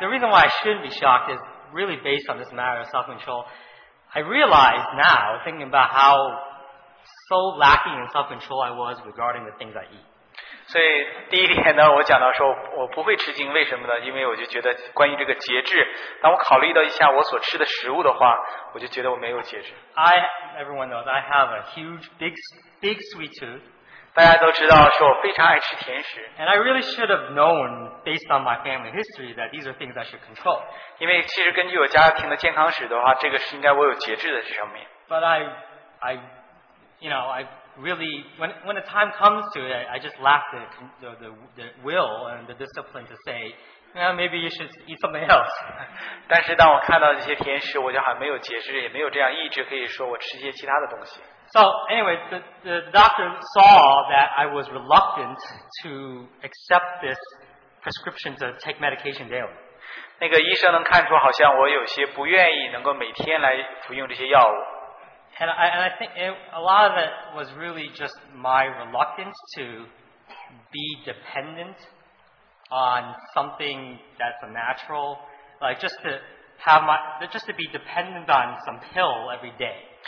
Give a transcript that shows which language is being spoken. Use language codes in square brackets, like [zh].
[en] The reason why I shouldn't be shocked is really based on this matter of self-control. I realize now, thinking about how so lacking in self-control I was regarding the things I eat. [zh] 所以第一点呢，我讲到说我不会吃惊，为什么呢？因为我就觉得关于这个节制，当我考虑到一下我所吃的食物的话，我就觉得我没有节制。 [en] I, everyone knows, I have a huge, big sweet tooth. [zh] 大家都知道说我非常爱吃甜食。 [en] And I really should have known, based on my family history, that these are things I should control. [zh] 因为其实根据我家庭的健康史的话，这个是应该我有节制的这方面。 [en] But I, when the time comes to it, I just lack the will and the discipline to say, well, maybe you should eat something else. [zh] 但是当我看到这些甜食, 我就好像没有解释, 也没有这样意志, 可以说, 我吃些其他的东西。 [en] So anyway, the doctor saw that I was reluctant to accept this prescription to take medication daily. [zh] 那个医生能看出好像我有些不愿意能够每天来服用这些药物。 [en] And I think a lot of it was really just my reluctance to be dependent on something that's a natural, like just to be dependent on some pill every day.